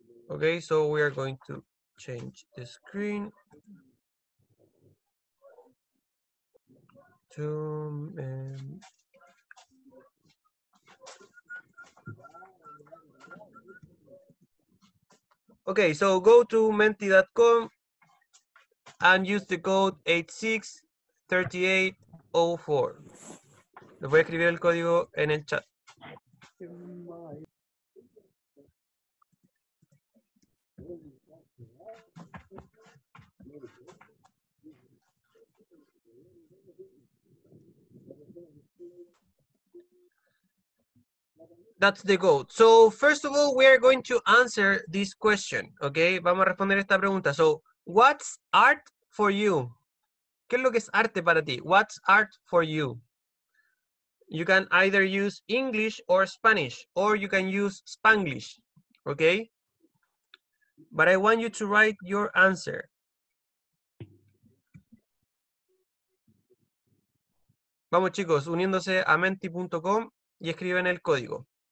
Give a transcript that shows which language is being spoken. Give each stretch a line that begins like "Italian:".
English: Okay, so we are going to change the screen to okay, so go to menti.com and use the code 863804.
Spanish: Les voy a escribir el código en el chat.
English: That's the goal. So first of all, we are going to answer this question, okay?
Spanish: Vamos a responder esta pregunta. So what's art for you? ¿Qué es lo que es arte para ti?
English: What's art for you? You can either use English or Spanish, or you can use Spanglish, okay? But I want you to write your answer.
Spanish: Vamos, chicos, uniéndose a menti.com y escriben el código.